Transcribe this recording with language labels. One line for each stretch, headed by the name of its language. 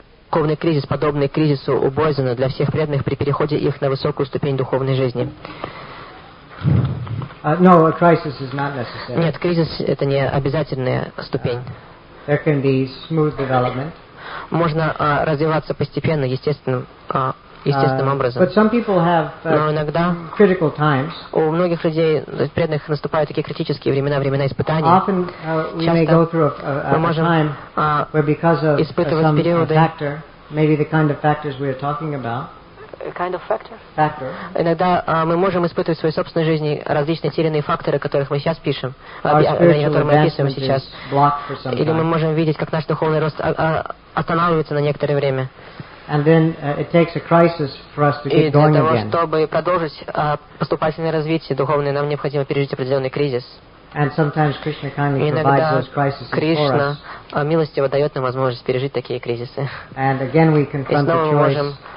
Russian: Духовный кризис, подобный кризису у Бойзена для всех преданных при переходе их на высокую ступень духовной жизни.
English: No, a crisis is not necessary.
Russian: Нет, кризис — это не обязательная ступень.
English: There can be smooth development.
Russian: Можно развиваться постепенно, естественным естественным образом.
English: But some people have,
Russian: иногда
English: critical times.
Russian: У многих людей, преданных, наступают такие критические времена, времена испытаний.
English: Often, we may go through a time where because of some factor, maybe the kind of factors we are talking about, Factor.
Russian: Иногда мы можем испытывать в своей собственной жизни различные те или иные факторы, о которых мы сейчас пишем, или мы можем видеть, как наш духовный рост останавливается на некоторое время.
English: And then it takes a crisis for us to keep going again.
Russian: И для того, чтобы продолжить поступательное развитие духовное, нам необходимо пережить определенный кризис.
English: And sometimes Krishna kindly provides those crises for us.
Russian: Иногда милостиво дает нам возможность пережить такие кризисы.
English: And again we confront the choice.